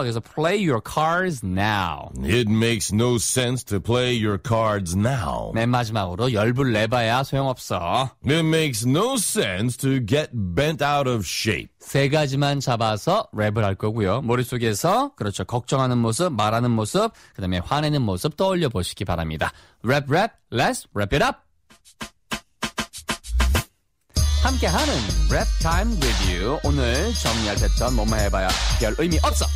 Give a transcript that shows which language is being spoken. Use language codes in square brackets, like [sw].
[ko] 그래서 [en] play your cards now. It makes no sense to play your cards now. [ko] 맨 마지막으로 열불 내봐야 소용없어. [en] It makes no sense to get bent out of shape. [ko] 세 가지만 잡아서 랩을 할 거고요. 머릿속에서 그렇죠. 걱정하는 모습, 말하는 모습, 그다음에 화내는 모습 떠올려 보시기 바랍니다. [en] Rap rap, let's wrap it up. [ko] 함께하는 [en] Rap Time with you. [ko] 오늘 정리하셨던 뭐만 해봐야 별 의미 없어.